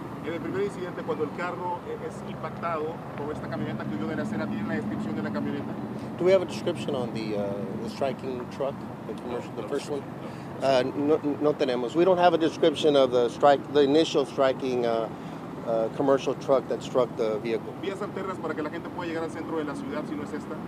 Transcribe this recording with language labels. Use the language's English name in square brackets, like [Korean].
[Spanish] En el primer incidente, cuando el carro es impactado por esta camioneta que huyó de la acera, ¿tiene la descripción de la camioneta? [English] Do we have a description on the striking truck, the commercial, the first one? [Spanish] No tenemos. [English] We don't have a description of the initial striking commercial truck that struck the vehicle. [Spanish] Vías alternas para que la gente pueda llegar al centro de la ciudad si no es esta.